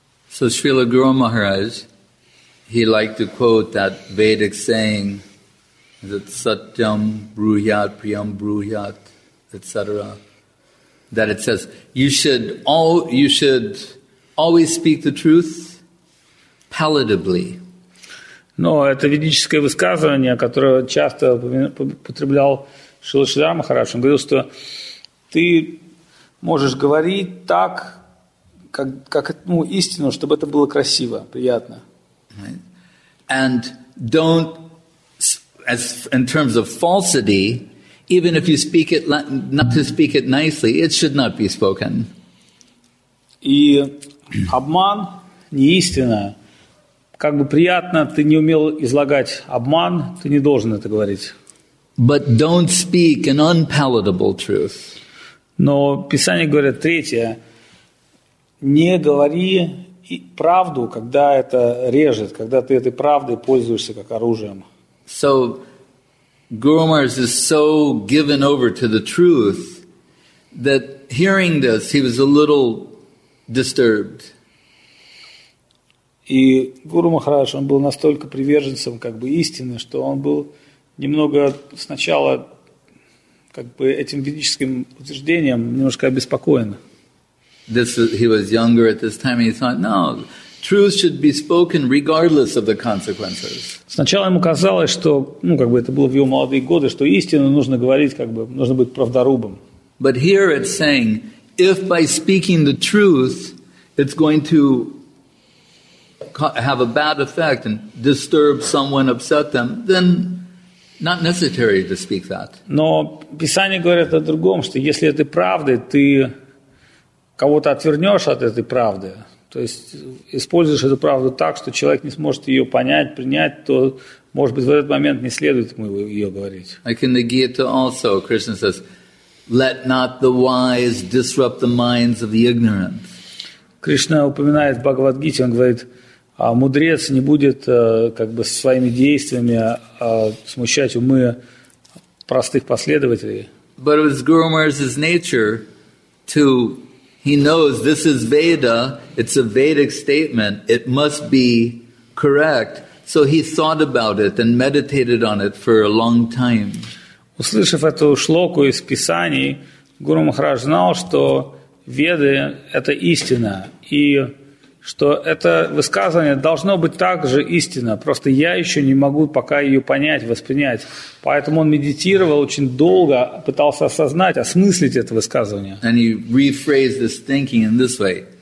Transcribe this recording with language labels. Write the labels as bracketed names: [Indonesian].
[English] So Srila Guru Maharaj, he liked to quote that Vedic saying, that [Sanskrit] satyam bruhyat priyam bruhyat, [English] etc. That it says you should always speak the truth palatably. [Russian] Но это ведическое высказывание, которое часто употреблял Шрила Шридхара Махарадж. Он говорил, что ты можешь говорить так, как истину, чтобы это было красиво, приятно. [English] And don't, as in terms of falsity, even if you speak it, not to speak it nicely, it should not be spoken. [Russian] И обман не истина. Как бы приятно, ты не умел излагать обман, ты не должен это говорить. [English] But don't speak an unpalatable truth. [Russian] Но Писание говорит третье: не говори правду, когда это режет, когда ты этой правдой пользуешься как оружием. [English] So Guru Maharaj is so given over to the truth that hearing this, he was a little disturbed. [Russian] И Гуру Махарадж, он был настолько приверженцем как бы истины, что он был немного сначала как бы этим ведическим утверждением немножко обеспокоен. [English] He was younger at this time, and he thought, no, truth should be spoken regardless of the consequences. [Russian] Сначала ему казалось, что, ну, как бы это было в его молодые годы, что истину нужно говорить, как бы, нужно быть правдорубом. [English] But here it's saying, if by speaking the truth, it's going to have a bad effect and disturb someone, upset them, then not necessary to speak that. [Russian] Но Писание говорит о другом, что если это правда, ты кого-то отвернешь от этой правды, то есть используешь эту правду так, что человек не сможет ее понять, принять, то, может быть, в этот момент не следует ему ее говорить. [English] Like in the Gita also, Krishna says, let not the wise disrupt the minds of the ignorant. [Russian] Кришна упоминает в Бхагавад-гите, он говорит, а мудрец не будет как бы своими действиями смущать умы простых последователей. [English] But it was Guru Maharaj's nature to, he knows this is Veda, it's a Vedic statement, it must be correct. So he thought about it and meditated on it for a long time. [Russian] Услышав эту шлоку из Писаний, Гуру Махарадж знал, что Веды – это истина, и что это высказывание должно быть также истинно, просто я еще не могу пока ее понять, воспринять. Поэтому он медитировал очень долго, пытался осознать, осмыслить это высказывание. [English] And he rephrased this thinking in this way.